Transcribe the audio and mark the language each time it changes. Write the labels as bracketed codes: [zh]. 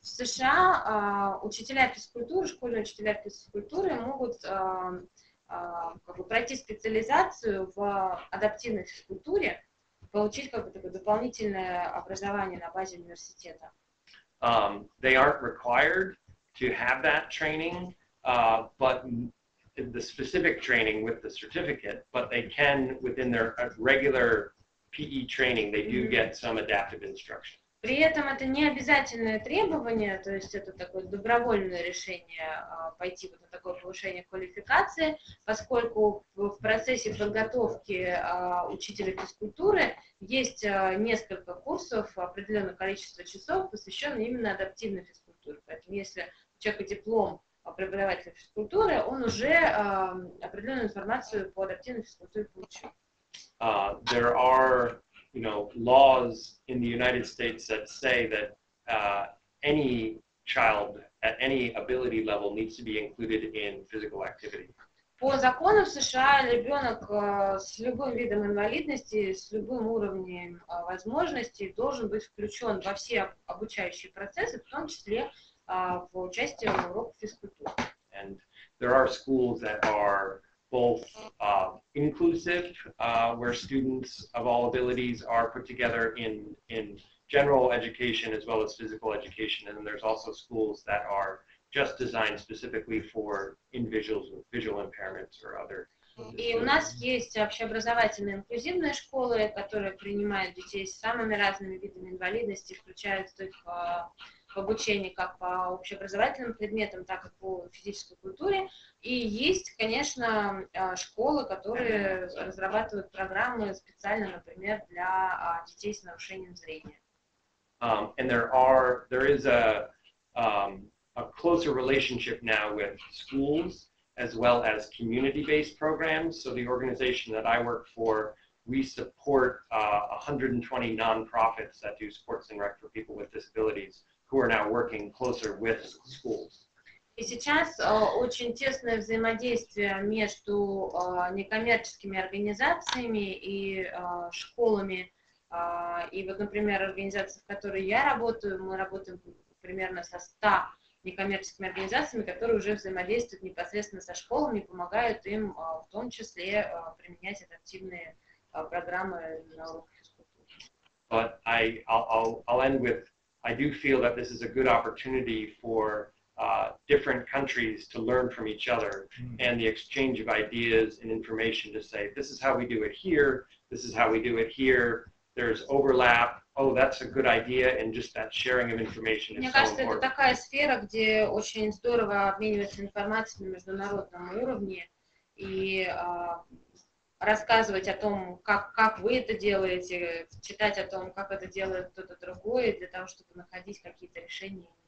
[ru] В США учителя физкультуры, школьные учителя физкультуры могут как бы пройти специализацию в адаптивной физкультуре, получить как бы такое дополнительное образование на базе университета. [en] They aren't required to have that training, but the specific training with the certificate, but they can within their regular PE training, they do get some adaptive instruction. [ru] При этом это не обязательное требование, то есть это такое добровольное решение пойти вот на такое повышение квалификации, поскольку в процессе подготовки учителя физкультуры есть несколько курсов, определенное количество часов, посвященных именно адаптивной физкультуре. Поэтому если у человека диплом преподавателя физкультуры, он уже определенную информацию по адаптивной физкультуре получил. [en] There are, you know, laws in the United States that say that any child at any ability level needs to be included in physical activity. [ru] По закону в США ребенок с любым видом инвалидности, с любым уровнем возможностей должен быть включен во все обучающие процессы, в том числе в участие в уроках физкультуры. [en] And there are schools that are both inclusive, where students of all abilities are put together in general education as well as physical education, and then there's also schools that are just designed specifically for individuals with visual impairments or other. [ru] И у нас есть общеобразовательные инклюзивные школы, которые принимают детей с самыми разными видами инвалидности, включая их в обучении как по общеобразовательным предметам, так и по физической культуре. И есть, конечно, школы, которые разрабатывают программы специально, например, для детей с нарушением зрения. [en] And there is a closer relationship now with schools, as well as community-based programs. So the organization that I work for We support 120 nonprofits that do sports and rec for people with disabilities who are now working closer with schools. [ru] И сейчас очень тесное взаимодействие между некоммерческими организациями и школами. И вот, например, организация, в которой я работаю, мы работаем примерно со 100 некоммерческими организациями, которые уже взаимодействуют непосредственно со школами и помогают им в том числе применять адаптивные программы на уроке физкультуры. [en] But I'll end with, I do feel that this is a good opportunity for different countries to learn from each other and the exchange of ideas and information to say, this is how we do it here, this is how we do it here, there's overlap, oh, that's a good idea, and just that sharing of information is [ru] Мне [en] so [ru] кажется, [en] important. [ru] Это такая сфера, где очень здорово обмениваться информацией на международном уровне и рассказывать о том, как вы это делаете, читать о том, как это делает кто-то другой, для того, чтобы находить какие-то решения.